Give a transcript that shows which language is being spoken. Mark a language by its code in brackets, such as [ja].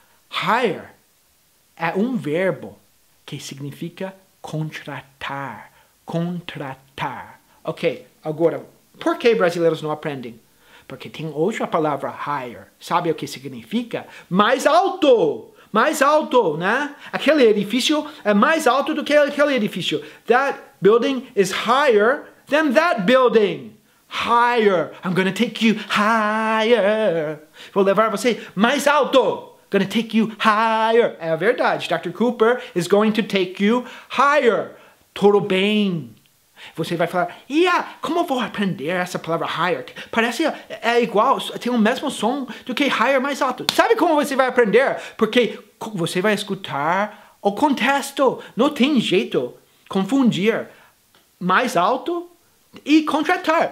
[pt] Higher é um verbo que significa contratar. Contratar. Ok, agora, por que brasileiros não aprendem? Porque tem outra palavra, higher. Sabe o que significa? Mais alto! Mais alto, né? Aquele edifício é mais alto do que aquele edifício. [en] That building is higher than that building. Higher. I'm gonna take you higher. [pt] Vou levar você mais alto. [en] Gonna take you higher. [pt] É a verdade. [en] Dr. Cooper is going to take you higher. [pt] Tudo bem. Você vai falar, yeah, como eu vou aprender essa palavra higher? Parece é igual, tem o mesmo som do que higher mais alto. Sabe como você vai aprender? Porque você vai escutar o contexto. Não tem jeito confundir mais alto e contratar.